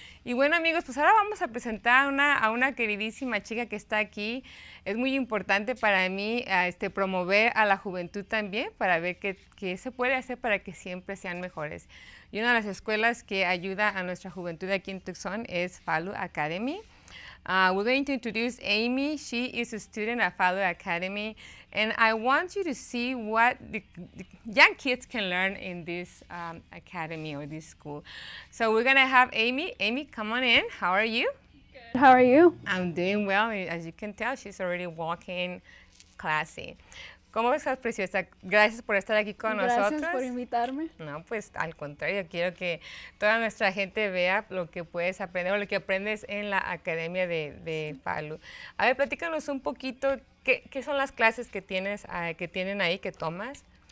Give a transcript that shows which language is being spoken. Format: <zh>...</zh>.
<es>Y bueno, amigos, pues ahora vamos a presentar a una queridísima chica que está aquí. Es muy importante para mí promover a la juventud también para ver qué se puede hacer para que siempre sean mejores. Y una de las escuelas que ayuda a nuestra juventud aquí en Tucson es Falu Academy.</es> <en>We're going to introduce Amy. She is a student at Falu Academy. And I want you to see what the young kids can learn in this academy or this school. So we're going to have Amy. Amy, come on in. How are you? Good. How are you? I'm doing well. As you can tell, she's already walking classy.</en> <es>¿Cómo estás, preciosa? Gracias por estar aquí con nosotros. Gracias por invitarme. No, pues al contrario, quiero que toda nuestra gente vea lo que puedes aprender o lo que aprendes en la Academia de Falu. A ver, platícanos un poquito, ¿qué son las clases que tienes, que tienen ahí, que tomas?</es>